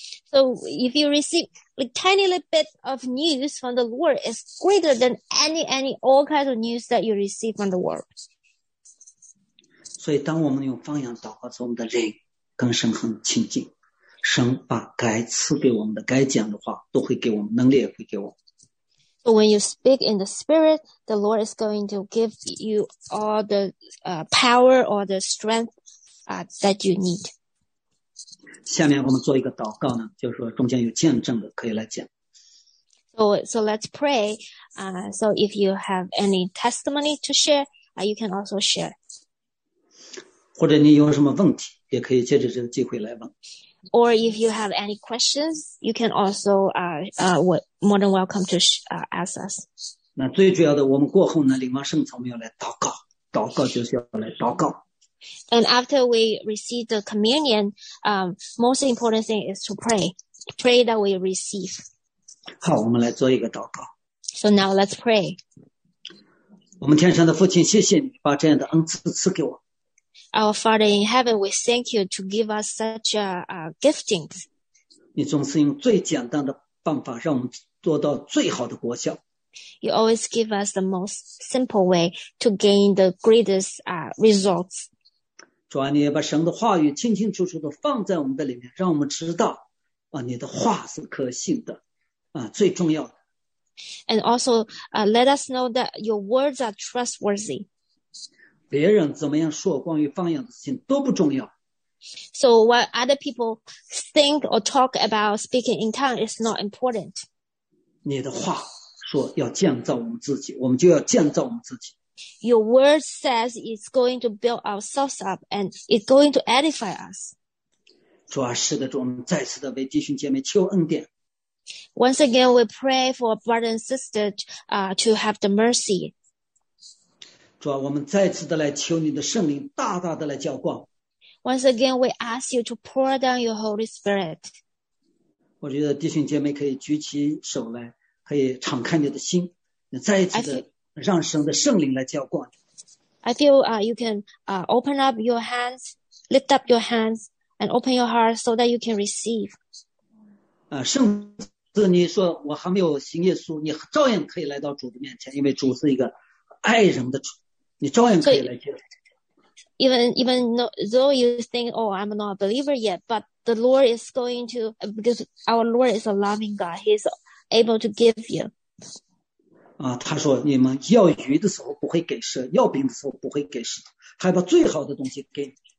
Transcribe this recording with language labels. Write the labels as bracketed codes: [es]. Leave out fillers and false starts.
[en] So if you receive a tiny little bit of news from the Lord, it's greater than any all kinds of news that you receive from the world. [zh] 所以当我们用方言祷告时，我们的灵跟神很亲近，神把该赐给我们的该讲的话都会给我们，能力也会给我们。 [en] So when you speak in the spirit, the Lord is going to give you all the power or the strength that you need. [zh] 下面我们做一个祷告呢，就是说中间有见证的可以来讲。 [en] So let's pray. So if you have any testimony to share, you can also share. [zh] 或者你有什么问题，也可以借着这个机会来问。 [en] Or if you have any questions, you can also more than welcome to ask us. [zh] 那最主要的，我们过后呢，领完圣餐，我们要来祷告，祷告就是要来祷告。 [en] And after we receive the communion, most important thing is to pray. Pray that we receive. [zh] 好，我们来做一个祷告。 [en] So now let's pray. [zh] 我们天上的父亲，谢谢你把这样的恩赐赐给我。 [en] Our Father in heaven, we thank you to give us such giftings. [zh] 你总是用最简单的方法让我们做到最好的果效。 [en] You always give us the most simple way to gain the greatest results. [zh] 主啊，你也把神的话语清清楚楚地放在我们的里面，让我们知道啊，你的话是可信的啊，最重要的。 [en] And also, let us know that your words are trustworthy. [zh] 别人怎么样说关于方言的事情都不重要。 [en] So what other people think or talk about speaking in tongues is not important. [zh] 你的话说要建造我们自己，我们就要建造我们自己。 [en] Your word says it's going to build ourselves up and it's going to edify us. [zh] 主啊，是的，主，我们再次的为弟兄姐妹求恩典。 [en] Once again, we pray for brother and sister to have the mercy. [zh] 主啊，我们再次的来求你的圣灵大大的来浇灌。 [en] Once again, we ask you to pour down your Holy Spirit. [zh] 我觉得弟兄姐妹可以举起手来，可以敞开你的心，再一次的让神的圣灵来浇灌。 [en] I feel you can open up your hands, lift up your hands, and open your heart so that you can receive. [zh] 圣子，你说我还没有信耶稣，你照样可以来到主的面前，因为主是一个。爱人的主，你照样可以来接。 [en] Even though you think, oh, I'm not a believer yet, but the Lord is going to, because our Lord is a loving God, He's able to give you. [zh] 他说你们要鱼的时候不会给蛇，要饼的时候不会给蛇，他把最好的东西给你。